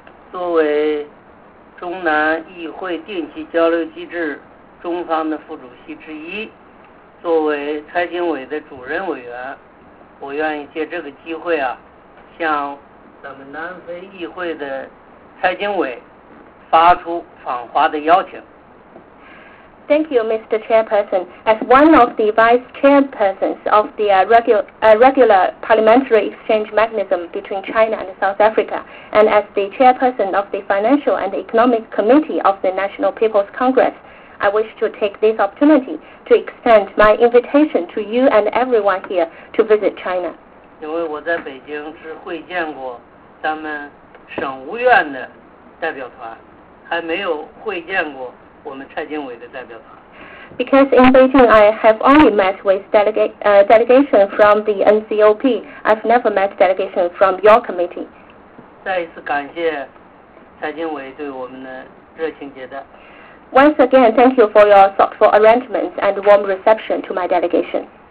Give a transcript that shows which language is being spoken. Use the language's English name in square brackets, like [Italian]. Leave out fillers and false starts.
[Chinese] 作为中南议会定期交流机制中方的副主席之一，作为财经委的主任委员，我愿意借这个机会啊，向咱们南非议会的财经委发出访华的邀请。 [English] Thank you, Mr. Chairperson. As one of the vice chairpersons of the regular parliamentary exchange mechanism between China and South Africa, and as the chairperson of the Financial and Economic Committee of the National People's Congress, I wish to take this opportunity to extend my invitation to you and everyone here to visit China. Because I was in Beijing, I met our state representative, I hadn't met Because in Beijing, I have only met with delegation from the NCOP. I've never met delegation from your committee. [Chinese] 再一次感谢蔡经委对我们的热情接待。 [English] Once again, thank you for your thoughtful arrangements and warm reception to my delegation.